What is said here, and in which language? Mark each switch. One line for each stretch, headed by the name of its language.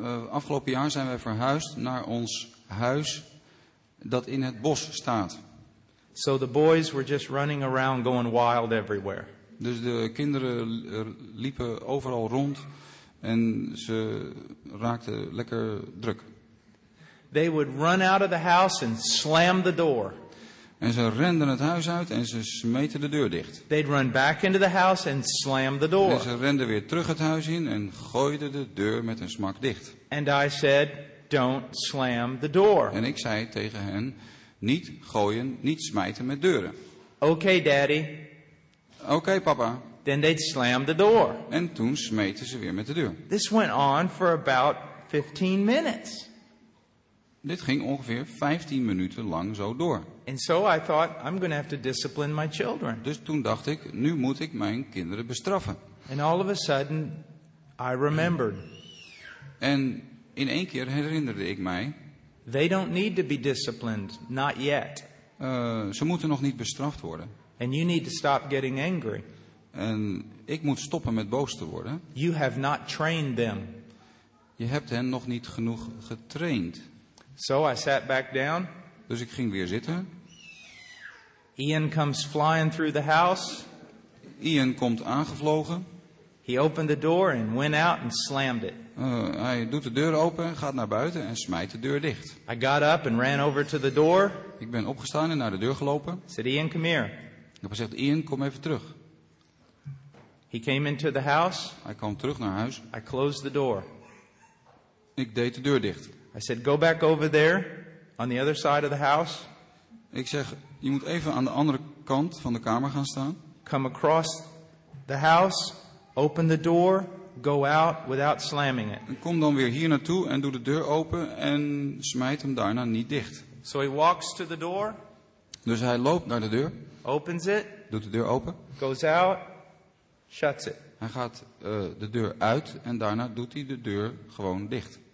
Dutch: Afgelopen jaar zijn wij verhuisd naar ons huis dat in het bos staat.
English: So the boys were just running around going wild everywhere.
Dutch: Dus de kinderen liepen overal rond en ze raakten lekker druk.
English: They would run out of the house and slam the door.
Dutch: En ze renden het huis uit en ze smeten de deur dicht.
English: They'd run back into the house and slam the door.
Dutch: En ze renden weer terug het huis in en gooiden de deur met een smak dicht.
English: And I said, don't slam the door.
Dutch: En ik zei tegen hen, niet gooien, niet smijten met deuren.
English: Okay, daddy.
Dutch: Okay, papa.
English: Then they'd slam the door.
Dutch: En toen smeten ze weer met de deur.
English: This went on for about 15 minutes.
Dutch: Dit ging ongeveer 15 minuten lang zo door.
English: And so I thought, I'm gonna have to discipline my children.
Dutch: Dus toen dacht ik, nu moet ik mijn kinderen bestraffen.
English: And all of a sudden, I remembered.
Dutch: En in één keer herinnerde ik mij.
English: They don't need to be disciplined, not yet.
Dutch: Ze moeten nog niet bestraft worden.
English: And you need to stop getting angry.
Dutch: En ik moet stoppen met boos te worden.
English: You have not trained them.
Dutch: Je hebt hen nog niet genoeg getraind.
English: So I sat back down.
Dutch: Dus ik ging weer zitten.
English: Ian comes flying through the house.
Dutch: Ian komt aangevlogen.
English: He opened the door and went out and slammed it.
Dutch: Hij doet de deur open, gaat naar buiten en smijt de deur dicht.
English: I got up and ran over to the door.
Dutch: Ik ben opgestaan en naar de deur gelopen.
English: Said Ian, come here.
Dutch: Ik heb gezegd, Ian, kom even terug.
English: He came into the house.
Dutch: Hij kwam terug naar huis.
English: I closed the door.
Dutch: Ik deed de deur dicht.
English: I said, go back over there, on the other side of the house.
Dutch: Ik zeg, je moet even aan de andere kant van de kamer gaan staan.
English: Come across the house, open the door, go out without slamming it.
Dutch: En kom dan weer hier naartoe en doe de deur open en smijt hem daarna niet dicht.
English: So he walks to the door.
Dutch: Dus hij loopt naar de deur.
English: Opens it.
Dutch: Doet de deur open.
English: Goes out. Shuts it.
Dutch: Hij gaat de deur uit en daarna doet hij de deur gewoon dicht.